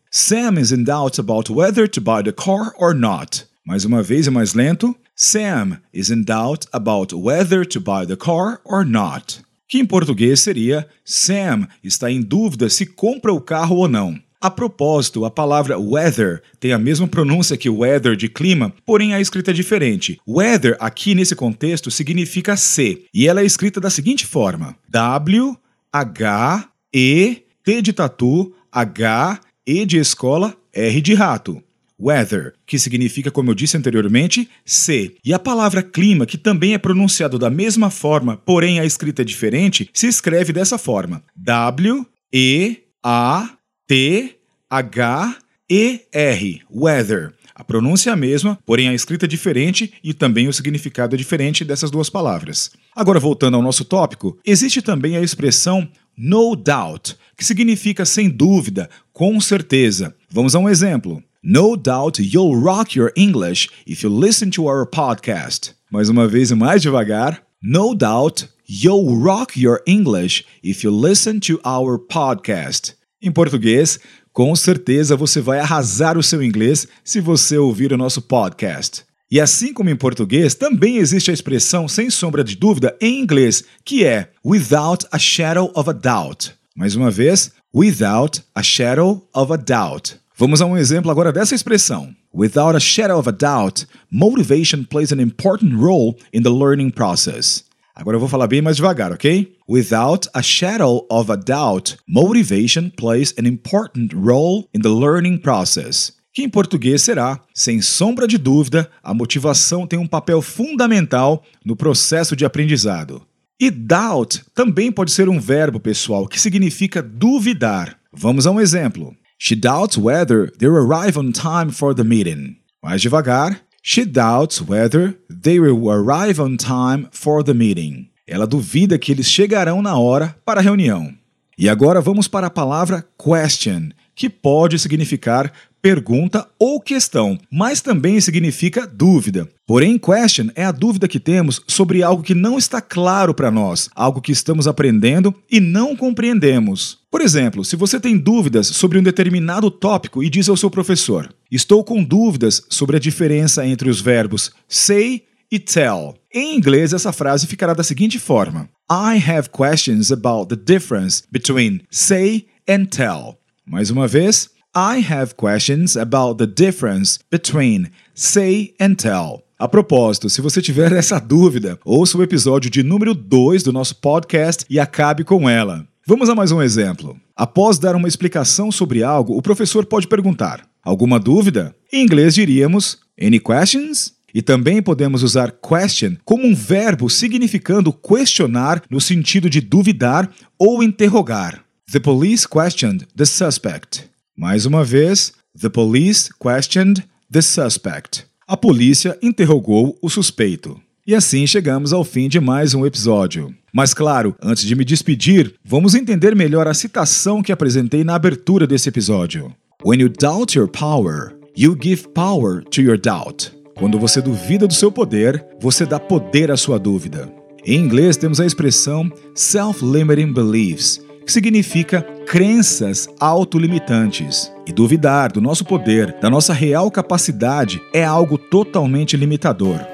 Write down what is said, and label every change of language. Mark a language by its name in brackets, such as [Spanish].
[English] Sam is in doubt about whether to buy the car or not. [Portuguese] Mais uma vez e mais lento. [English] Sam is in doubt about whether to buy the car or not. [Portuguese] Que em português seria, Sam está em dúvida se compra o carro ou não. A propósito, a palavra weather tem a mesma pronúncia que weather de clima, porém a escrita é diferente. Weather, aqui nesse contexto, significa se, e ela é escrita da seguinte forma. W-H-E-T de tatu, H-E de escola, R de rato. Weather, que significa, como eu disse anteriormente, C. E a palavra clima, que também é pronunciado da mesma forma, porém a escrita é diferente, se escreve dessa forma. W-E-A-T-H-E-R. Weather. A pronúncia é a mesma, porém a escrita é diferente e também o significado é diferente dessas duas palavras. Agora, voltando ao nosso tópico, existe também a expressão no doubt, que significa sem dúvida, com certeza. Vamos a um exemplo. [English] No doubt you'll rock your English if you listen to our podcast. [Portuguese] Mais uma vez e mais devagar. [English] No doubt you'll rock your English if you listen to our podcast. [Portuguese] Em português, com certeza você vai arrasar o seu inglês se você ouvir o nosso podcast. E assim como em português, também existe a expressão sem sombra de dúvida em inglês, que é [English] without a shadow of a doubt. [Portuguese] Mais uma vez, [English] without a shadow of a doubt. [Portuguese] Vamos a um exemplo agora dessa expressão. [English] Without a shadow of a doubt, motivation plays an important role in the learning process. [Portuguese] Agora eu vou falar bem mais devagar, ok? [English] Without a shadow of a doubt, motivation plays an important role in the learning process. [Portuguese] Que em português será, sem sombra de dúvida, a motivação tem um papel fundamental no processo de aprendizado. E doubt também pode ser um verbo, pessoal, que significa duvidar. Vamos a um exemplo. [English] She doubts whether they'll arrive on time for the meeting. [Portuguese] Mais devagar. [English] She doubts whether they will arrive on time for the meeting. [Portuguese] Ela duvida que eles chegarão na hora para a reunião. E agora vamos para a palavra question, que pode significar pergunta ou questão, mas também significa dúvida. Porém, question é a dúvida que temos sobre algo que não está claro para nós, algo que estamos aprendendo e não compreendemos. Por exemplo, se você tem dúvidas sobre um determinado tópico e diz ao seu professor: "Estou com dúvidas sobre a diferença entre os verbos say e tell." Em inglês, essa frase ficará da seguinte forma: [English] "I have questions about the difference between say and tell." [Portuguese] Mais uma vez: [English] "I have questions about the difference between say and tell." [Portuguese] A propósito, se você tiver essa dúvida, ouça o episódio de número 2 do nosso podcast e acabe com ela. Vamos a mais um exemplo. Após dar uma explicação sobre algo, o professor pode perguntar: "Alguma dúvida?" Em inglês diríamos: [English] "Any questions?" [Portuguese] E também podemos usar question como um verbo significando questionar no sentido de duvidar ou interrogar. [English] The police questioned the suspect. [Portuguese] Mais uma vez, [English] the police questioned the suspect. [Portuguese] A polícia interrogou o suspeito. E assim chegamos ao fim de mais um episódio. Mas claro, antes de me despedir, vamos entender melhor a citação que apresentei na abertura desse episódio. [English] When you doubt your power, you give power to your doubt. [Portuguese] Quando você duvida do seu poder, você dá poder à sua dúvida. Em inglês temos a expressão self-limiting beliefs, que significa crenças autolimitantes. E duvidar do nosso poder, da nossa real capacidade, é algo totalmente limitador.